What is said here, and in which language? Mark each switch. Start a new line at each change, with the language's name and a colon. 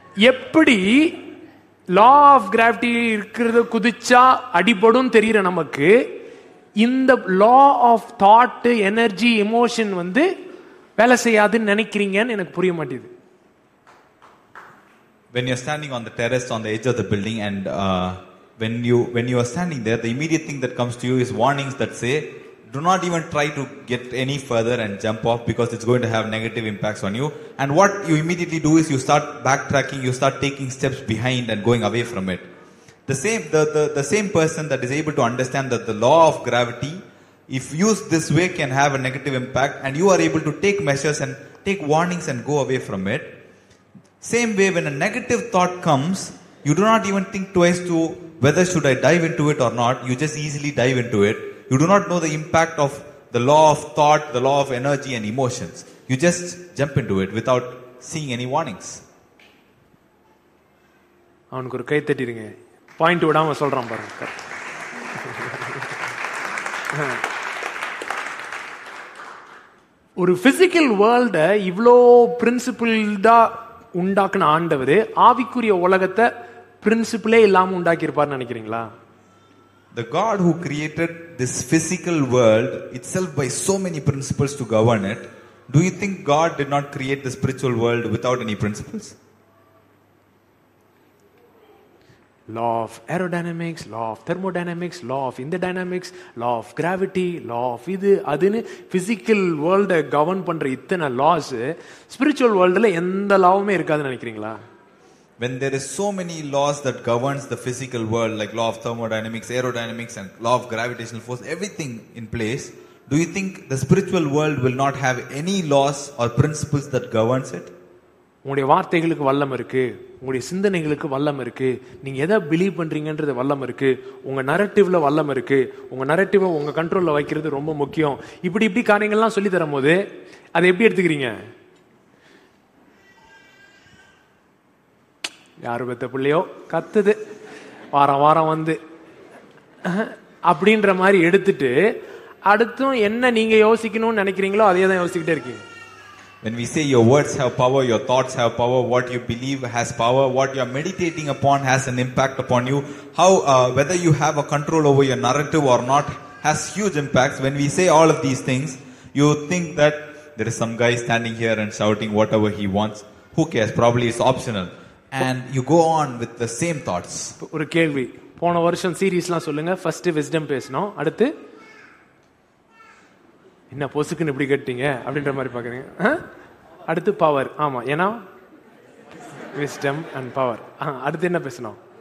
Tamil: எப்படி law of gravity இருக்கிறத குதிச்சா அடிபடும் தெரியற நமக்கு, இந்த law of thought, energy, emotion வந்து வேலை செய்யாதுன்னு நினைக்கிறீங்கன்னு எனக்கு புரிய மாட்டேது.
English: When you're standing on the terrace on the edge of the building and when you are standing there, the immediate thing that comes to you is warnings that say, do not even try to get any further and jump off because it's going to have negative impacts on you. And what you immediately do is you start backtracking, you start taking steps behind and going away from it. The same person that is able to understand that the law of gravity, if used this way, can have a negative impact, and you are able to take measures and take warnings and go away from it. Same way, when a negative thought comes, you do not even think twice to whether should I dive into it or not. You just easily dive into it. You do not know the impact of the law of thought, the law of energy and emotions. You just jump into it without seeing any warnings.
Tamil: அவனுக்கு ஒரு கை தட்டிடுங்க, point விடாம சொல்றான் பாருங்க. ஒரு physical வேர்ல்ட இவ்வளோ பிரின்சிபிள்டா உண்டாக்குன ஆண்டவர் ஆவிக்குரிய உலகத்தை பிரின்சிபிளே இல்லாம உண்டாக்கி இருப்பாருன்னு நினைக்கிறீங்களா?
English: The God who created this physical world itself by so many principles to govern it, do you think God did not create the spiritual world without any principles? Law of aerodynamics, law of
Tamil: thermodynamics, law of indodynamics, law of gravity, law of இது அதுன்னு
English: physical world govern
Tamil: பண்ற இத்தனை laws, spiritual worldல எந்த லாவுமே இருக்காதுன்னு நினைக்கிறீங்களா?
English: When there is so many laws that governs the physical world, like law of thermodynamics, aerodynamics and law of gravitational force, everything in place, do you think the spiritual world will not have any laws or principles that governs it?
Tamil: உங்களுடைய வார்த்தைகளுக்கு வல்லம் இருக்கு, உங்களுடைய சிந்தனைகளுக்கு வல்லம் இருக்கு, நீங்க எதை believe பண்றீங்கன்றது வல்லம் இருக்கு, உங்க நரட்டிவ்ல வல்லம் இருக்கு, உங்க நரட்டிவ உங்க கண்ட்ரோல்ல வைக்கிறது ரொம்ப முக்கியம். இப்படி இப்படி காரியங்கள்லாம் சொல்லி தரும் போது அதை எப்படி எடுத்துக்கிறீங்க? யாரு பெத்த பிள்ளையோ கத்துது வாரம் வாரம் வந்து அப்படின்ற மாதிரி எடுத்துட்டு அடுத்தும் என்ன நீங்க யோசிக்கணும்னு நினைக்கிறீங்களோ அதே தான் யோசிக்கிட்டே இருக்கீங்க.
English: When we say your words have power, your thoughts have power, what you believe has power, what you are meditating upon has an impact upon you, how whether you have a control over your narrative or not has huge impacts. When we say all of these things, you think that there is some guy standing here and shouting whatever he wants, who cares, probably it's optional, and you go on with the same thoughts.
Tamil: Or kelvi pona varsham series la solunga, first wisdom pesnom, adutha என்ன பொசுக்குன்னு இப்படி கேட்டீங்க அப்படின்ற மாதிரி பாக்குறீங்க. அடுத்து power, ஆமா, ஏன்னா விஸ்டம் அண்ட் பவர். அடுத்து என்ன பேசணும்?